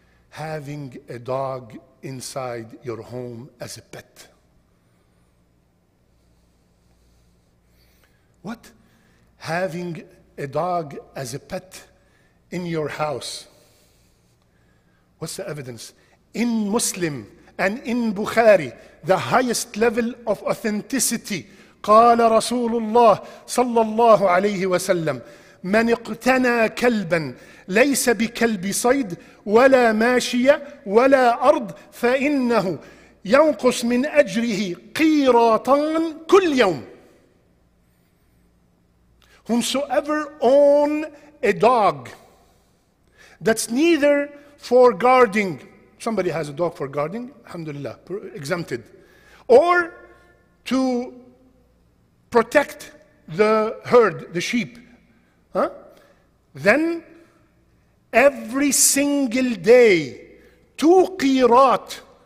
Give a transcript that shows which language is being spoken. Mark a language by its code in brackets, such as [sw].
[en] Having a dog inside your home as a pet. What? Having a dog as a pet in your house. What's the evidence? In Muslim and in Bukhari, the highest level of authenticity, [ar] قال رسول الله صلى الله عليه وسلم من اقتنى كلبا ليس بكلب صيد ولا ماشية ولا أرض فإنه ينقص من أجره قيراطان كل يوم. [en] Whomsoever own a dog that's neither for guarding, somebody has a dog for guarding, alhamdulillah, exempted, or to protect the herd, the sheep, then every single day, two qirat.